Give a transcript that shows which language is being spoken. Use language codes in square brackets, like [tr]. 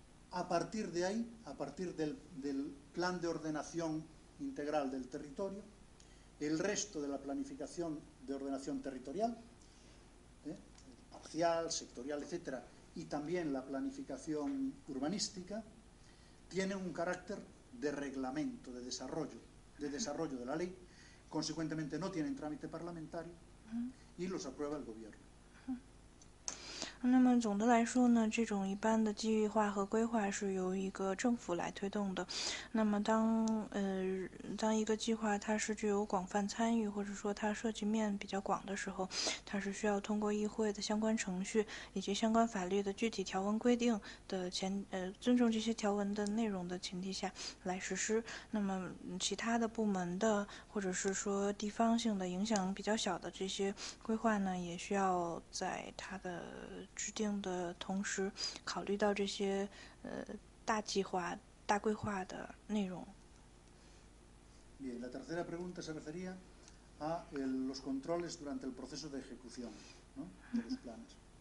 [es] A partir de ahí, a partir del plan de ordenación integral del territorio, el resto de la planificación de ordenación territorial, parcial, sectorial, etcétera, y también la planificación urbanística, tienen un carácter de reglamento, de desarrollo de la ley, consecuentemente no tienen trámite parlamentario y los aprueba el gobierno. [zh] 那么总的来说呢，这种一般的计划和规划是由一个政府来推动的。那么当一个计划它是具有广泛参与，或者说它涉及面比较广的时候，它是需要通过议会的相关程序以及相关法律的具体条文规定的尊重这些条文的内容的前提下来实施。那么其他的部门的或者是说地方性的影响比较小的这些规划呢，也需要在它的制定的同时考虑到这些大计划大规划的内容。 [es] Bien, la tercera pregunta se refería a los controles durante el proceso de ejecución, ¿no? de los planes.